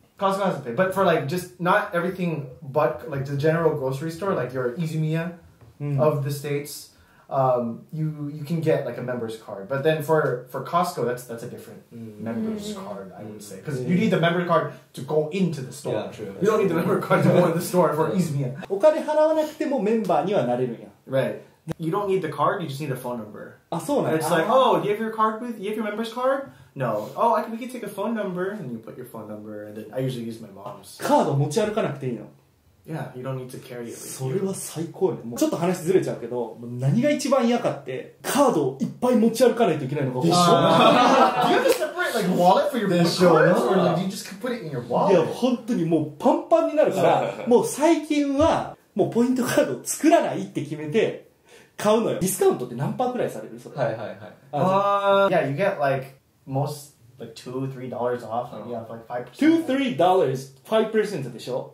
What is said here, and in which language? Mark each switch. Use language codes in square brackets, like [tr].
[en] Costco has to pay. But for like just not everything but like the general grocery store, like your Izumiya of the States. You can get like a member's card, but then for Costco that's a different member's card, I would say, because you need the member card to go into the store. Yeah, true. You don't need the member card to go into the store for Izumiya. [ja] お金払わなくてもメンバーにはなれるんや。 [en] Right. You don't need the card, you just need a phone number. [ja] あ、そうなんだ。 [en] It's like, oh, do you have your card with, you have your member's card? No. Oh, we can take a phone number, and you put your phone number, and then I usually use my mom's. [ja] カード持ち歩かなくていいの。 [en] Yeah, you don't need to carry it. [ja] それは最高よね。もうちょっと話ずれちゃうけど、もう何が一番嫌かって、カードをいっぱい持ち歩かないといけないのか。でしょ。 [en] Do you have a separate like wallet for your cards, or do you just put it in your wallet? [ja] いや、本当にもうパンパンになるから、もう最近はもうポイントカードを作らないって決めて買うのよ。ディスカウントって何パーくらいされる？それ。はいはいはい。 [en] Yeah, you get like most. Like $2-3 off, and you have like 5%. [ja] $2-3, 5% でしょ、